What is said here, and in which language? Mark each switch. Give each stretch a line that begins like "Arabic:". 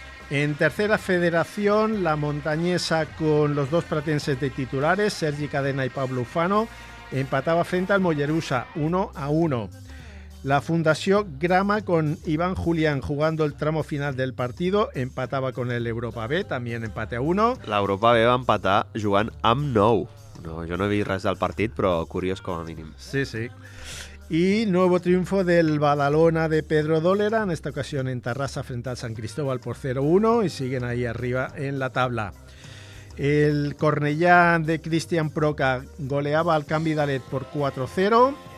Spanish: En Tercera Federación, la Montañesa con los dos pratenses de titulares, Sergi Cadena y Pablo Ufano, empataba frente al Mollerussa 1-1. La Fundación Grama, con Iván Julián jugando el tramo final del partido, empataba con el Europa B, también empate a 1.
Catalan: La Europa B va empatar jugant amb 9. No, jo no he vist res del partit, però curiós com a mínim. Sí, sí.
Spanish: Y nuevo triunfo del Badalona de Pedro Dolera, en esta ocasión en Tarrasa frente al San Cristóbal por 0-1, y siguen ahí arriba en la tabla. El Cornellà de Cristian Proca goleaba al Can Vidalet por 4-0.